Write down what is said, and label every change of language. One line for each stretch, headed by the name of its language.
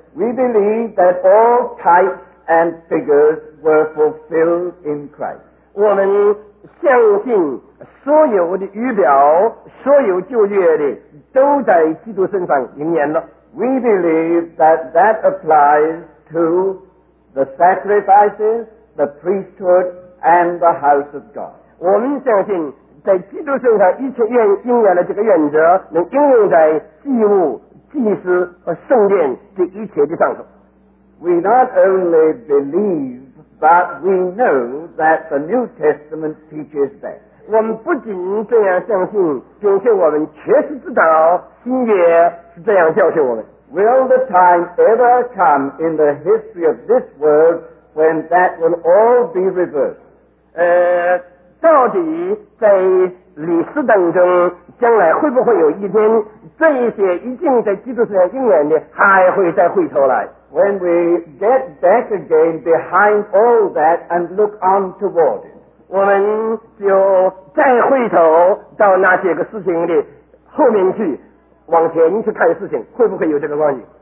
English: We believe that all types and figures were fulfilled in Christ.
Chinese: 我们相信所有的预表所有旧约的都在基督身上应验了。
English: We believe that that applies to the sacrifices, the priesthood, and the house of God.
Chinese: 我们相信在基督身上一切应验了这个原则能应用在祭物、祭司和圣殿这一切的上头。
English: We not only believe, but we know that the New Testament teaches that.
Chinese: 我们不仅这样相信，并且我们确实知道新约是这样教训我们。
English: Will the time ever come in the history of this world when that will all be reversed?
Chinese: 到底在历史当中，将来会不会有一天，这一些已经在基督身上应验的，还会再回头来？
English: When we get back again behind all that and look on toward it,
Chinese: 我们就再回头到那些个事情的后面去。往前去看事情，会不会有这个光景？